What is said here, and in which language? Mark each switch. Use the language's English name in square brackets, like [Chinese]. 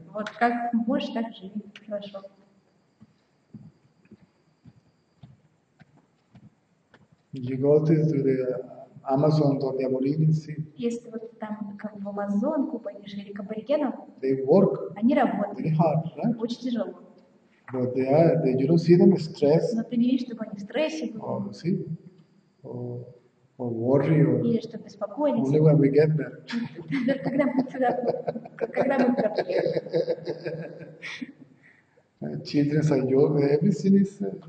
[Russian] Вот как можешь, так живи. Хорошо. [English] You go to the Amazon or the Aborigines. [Russian] Если вот там как в Амазонку пойдешь или к аборигенам, [English] they work. [Russian] Они работают. [English] Very hard, right? [Russian] Очень тяжело. [English] But they are, they, you don't see them stress. [Russian] Но ты не видишь, чтобы они в стрессе были. [English] Or, see? Or worry, or... [Russian] Или что беспокоиться. [English] Only when we get there. [Russian] Когда мы сюда, когда мы туда. [English] Children's are young, everything is.